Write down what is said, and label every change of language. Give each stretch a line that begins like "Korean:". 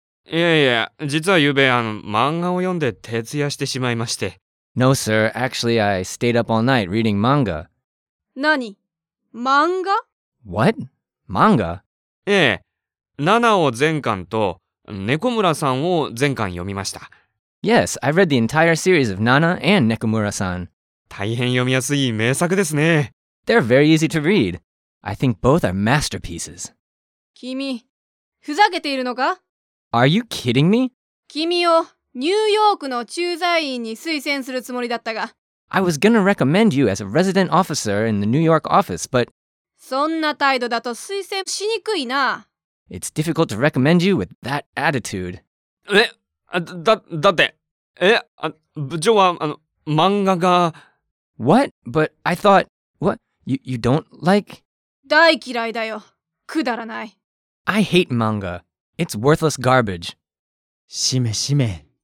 Japanese: いやいや、実は昨夜漫画を読んで徹夜してしまいまして。
English: No, sir. Actually, I stayed up all night reading manga.
Japanese: 何？漫画？
English: What? Manga?
Japanese: ええ。ナナを全巻と猫村さんを全巻読みました。
English: Yes, I've read the entire series of Nana and Nekomura-san.
Japanese: 大変読みやすい名作ですね。
English: They're very easy to read. I think both are masterpieces.
Japanese: 君、ふざけているのか？
English: Are you kidding me?
Japanese: 君をニューヨークの駐在員に推薦するつもりだったが、
English: I was gonna recommend you as a resident officer in the New York office, but...
Japanese: そんな態度だと推薦しにくいな。
English: It's difficult to recommend you with that attitude.
Japanese: え、だって、え、部長は、漫画が…
English: What? But I thought… What? You don't like…
Japanese: 大嫌いだよ。くだらない。
English: I hate manga. It's worthless garbage.
Japanese: しめしめ。